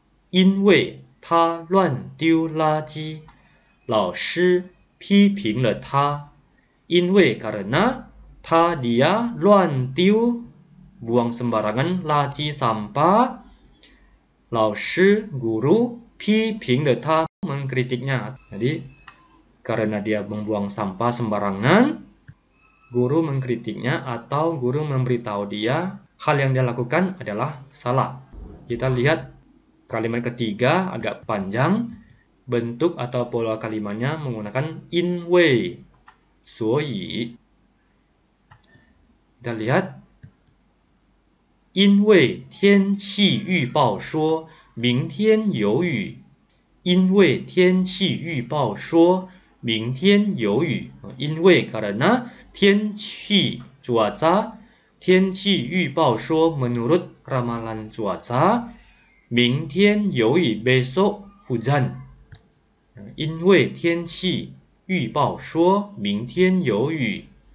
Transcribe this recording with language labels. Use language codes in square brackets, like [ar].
[zh] 因为他乱丢垃圾，老师批评了他。因为 karena他 dia 乱丢 [id] buang sembarangan [zh] 垃圾 sampah， 老师 guru 批评了他。 [id] Mengkritiknya. Jadi, karena dia membuang sampah sembarangan, guru mengkritiknya atau guru memberitahu dia hal yang dia lakukan adalah salah. Kita lihat kalimat ketiga agak panjang. Bentuk atau pola kalimatnya menggunakan 因为, 所以. [zh] Kita lihat 因为天气预报说明天有雨，因为天气预报说明天有雨，因为 karena 天气 cuaca， 天气预报说 [id] menurut ramalan cuaca [zh] 明天有雨 [id] besok hujan， [zh] 因为天气预报说明天有雨，